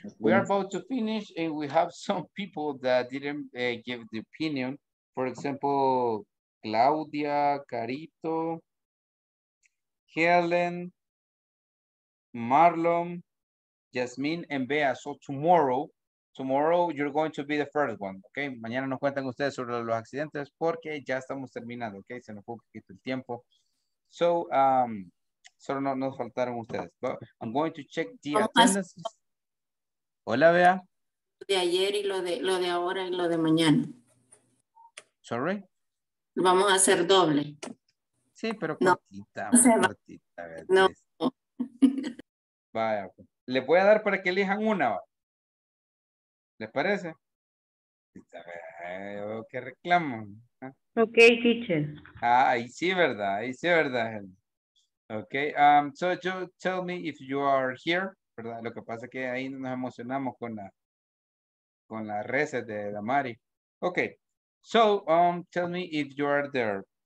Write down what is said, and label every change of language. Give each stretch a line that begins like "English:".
English: We are about to finish and we have some people that didn't give the opinion. For example, Claudia, Carito, Helen, Marlon, Jasmine, and Bea. So tomorrow you're going to be the first one, okay?
Spanish: Mañana nos cuentan ustedes sobre los accidentes porque ya estamos terminando, okay? Se nos fue un poquito el tiempo. So, solo no nos faltaron ustedes.
English: But I'm going to check the attendance.
Spanish: Hola, Bea. De ayer y lo de ahora y lo de mañana.
English: Sorry.
Spanish: Vamos a hacer doble. Sí, pero cortita. No. Vaya. Les voy a dar para que elijan una. ¿Les parece? A ver, ¿qué reclaman?
English: Ok, teacher.
Spanish: Ahí sí, ¿verdad?
English: Okay, so you tell me if you are here, ¿verdad?
Spanish: Lo que pasa es que ahí nos emocionamos con la reset de Damari.
English: Okay, so tell me if you are there.